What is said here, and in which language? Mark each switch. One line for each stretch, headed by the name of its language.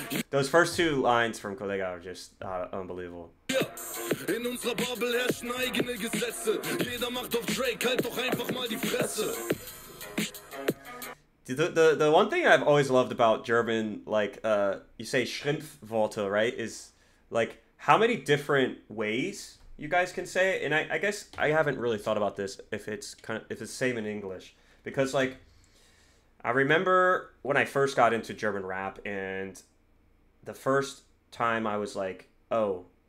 English: Those first two lines from KOLLEGAH are just unbelievable.
German: In unserer Bubble herrschen eigene Gesetze. Jeder macht auf Drake, halt doch einfach mal die Fresse.
English: The one thing I've always loved about German, like, you say Schimpfworte, right, is, like, how many different ways you guys can say it. And I guess I haven't really thought about this, if it's kind of, if it's the same in English. Because, like, I remember when I first got into German rap, and the first time I was like, oh...